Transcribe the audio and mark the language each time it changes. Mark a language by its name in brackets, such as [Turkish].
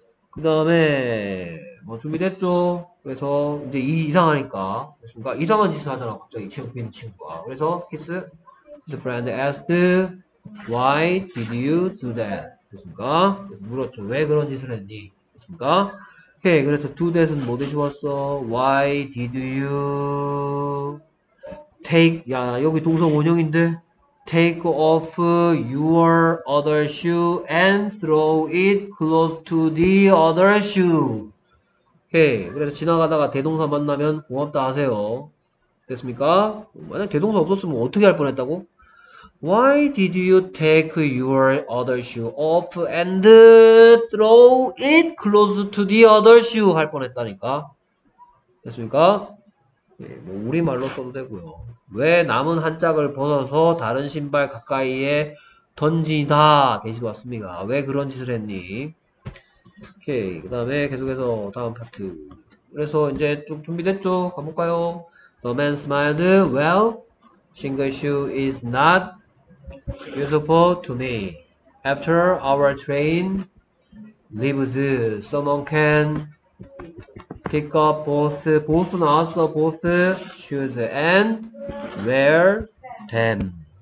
[Korean] 그 다음에 뭐 준비됐죠? 그래서 이제 이상하니까 그러니까 이상한 짓을 하잖아 갑자기 이 친구인 친구가 그래서 [English] his friend asked why did you do that? [Korean] 그랬습니까? 물었죠 왜 그런 짓을 했니? 그랬습니까? Okay, 그래서 do that은 뭐 대신 왔어? [English] Why did you take [Korean] 야 여기 동사 원형인데 [English] take off your other shoe and throw it close to the other shoe. [Korean] 오케이. 그래서 지나가다가 대동사 만나면 고맙다 하세요. 됐습니까? 만약 대동사 없었으면 어떻게 할 뻔했다고? [English] Why did you take your other shoe off and throw it close to the other shoe [Korean] 할 뻔했다니까? 됐습니까? 네, 뭐 우리말로 써도 되고요. 왜 남은 한 짝을 벗어서 다른 신발 가까이에 던지다 대신 왔습니까? 왜 그런 짓을 했니? 오케이. 그 다음에 계속해서 다음 파트. 그래서 이제 쭉 준비됐죠? 가볼까요? [English] The man smiled. Well, single shoe is not useful to me. After our train leaves, someone can pick up both [Korean] 나왔어 [English] both shoes and wear them.